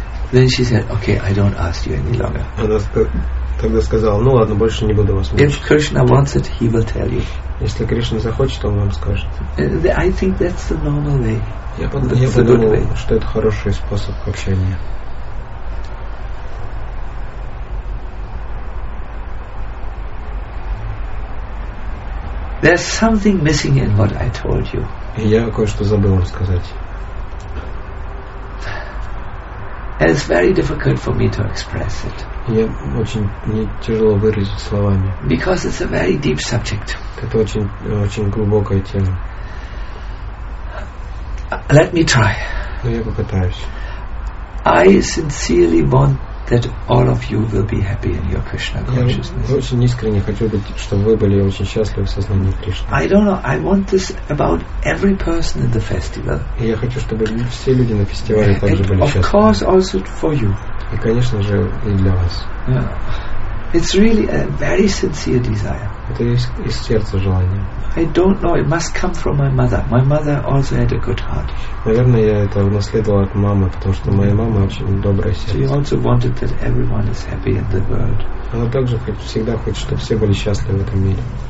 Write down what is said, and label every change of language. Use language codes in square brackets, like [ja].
[en] Then she said, "Okay, I don't ask you any longer." [ru] Она тогда сказала, ну ладно, больше не буду вас. [en] If Krishna wants it, he will tell you. [ru] Если Кришна захочет, он вам скажет. [en] I think that's the normal way. [ru] Я подумал, что это хороший способ общения. [en] There's something missing in what I told you. [ru] Я кое-что забыл вам сказать. [en] And it's very difficult for me to express it. [ru] Я очень не тяжело выразить словами. [en] Because it's a very deep subject. [ru] Это очень глубокая тема. [en] Let me try. [ru] Но я попытаюсь. [en] I sincerely want that all of you will be happy in your Krishna consciousness. [ru] Я очень искренне хочу, быть, чтобы вы были очень счастливы в сознании Кришны. [en] I don't know. I want this about every person in the festival. [ru] И я хочу, чтобы все люди на фестивале также были счастливы. [en] Of course, also for you. [ru] И, конечно же, и для вас. [en] Yeah. It's really a very sincere desire. [ru] Это из сердца желание. [en] I don't know. It must come from my mother. My mother also had a good heart. [ru] Наверное, я это унаследовал от мамы, потому что моя мама очень доброе сердце. [en] She also wanted that everyone is happy in the world. [ru] Она также всегда хочет, чтобы все были счастливы в этом мире.